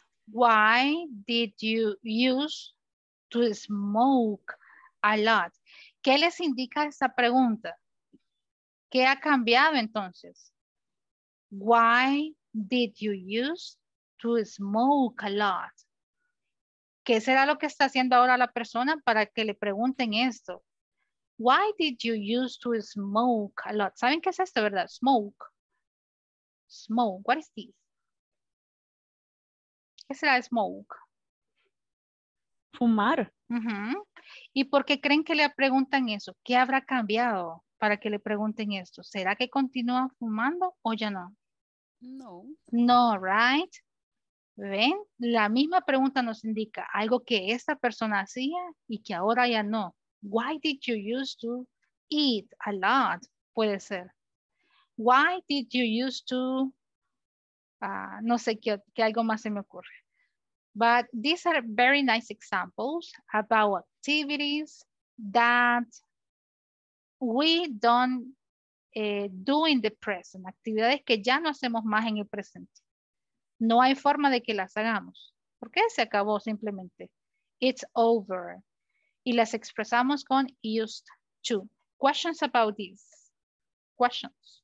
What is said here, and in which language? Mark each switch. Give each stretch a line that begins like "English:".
English: Why did you use to smoke a lot?
Spanish: ¿Qué les indica esa pregunta? ¿Qué ha cambiado entonces?
English: Why did you use to smoke a lot?
Spanish: ¿Qué será lo que está haciendo ahora la persona para que le pregunten esto?
English: Why did you used to smoke a lot?
Spanish: ¿Saben qué es esto, verdad? Smoke. Smoke.
English: What is this?
Spanish: ¿Qué será smoke? Fumar. Uh-huh. ¿Y por qué creen que le preguntan eso? ¿Qué habrá cambiado para que le pregunten esto? ¿Será que continúa fumando o ya no? No. No, right? ¿Ven? La misma pregunta nos indica algo que esta persona hacía y que ahora ya no.
English: Why did you used to eat a lot?
Spanish: Puede ser.
English: Why did you used to...
Spanish: no sé qué algo más se me ocurre.
English: But these are very nice examples about activities that we don't do in the present.
Spanish: Actividades que ya no hacemos más en el presente. No hay forma de que las hagamos. ¿Por qué se acabó simplemente?
English: It's over.
Spanish: Y las expresamos con used to.
English: Questions about this? Questions.